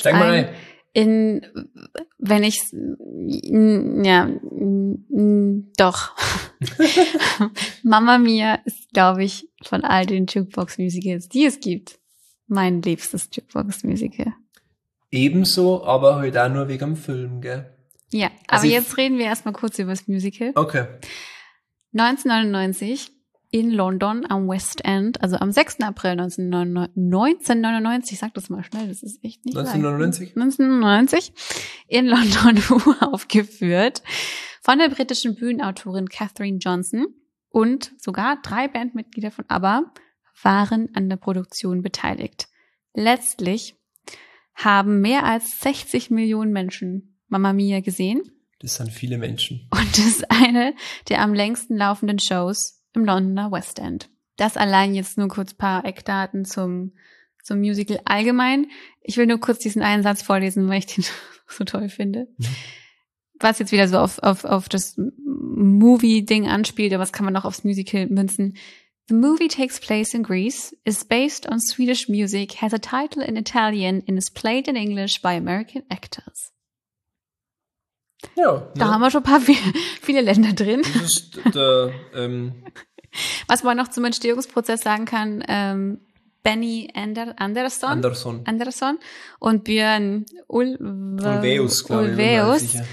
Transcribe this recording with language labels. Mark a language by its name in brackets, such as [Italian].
[German] steigen wir ein. Mama Mia ist, glaube ich, von all den Jukebox Musicals, die es gibt. Mein liebstes Jukebox-Musical. Ebenso, aber halt auch nur wegen dem Film, gell? Ja, also aber jetzt reden wir erstmal kurz über das Musical. Okay. 1999 in London am West End, also am 6. April 1999, sag das mal schnell, das ist echt nicht 1999? 1999 in London aufgeführt von der britischen Bühnenautorin Katherine Johnson und sogar drei Bandmitglieder von ABBA waren an der Produktion beteiligt. Letztlich haben mehr als 60 Millionen Menschen Mamma Mia gesehen. Das sind viele Menschen. Und das ist eine der am längsten laufenden Shows im Londoner West End. Das allein jetzt nur kurz ein paar Eckdaten zum Musical allgemein. Ich will nur kurz diesen einen Satz vorlesen, weil ich den so toll finde. was jetzt wieder so auf das Movie-Ding anspielt, aber was kann man noch aufs Musical münzen? [English] The movie takes place in Greece, is based on Swedish music, has a title in Italian and is played in English by American actors. [German] Ja. Da haben wir schon ein paar viele Länder drin. Das ist der, was man noch zum Entstehungsprozess sagen kann, Benny Andersson und Björn Ulvaeus.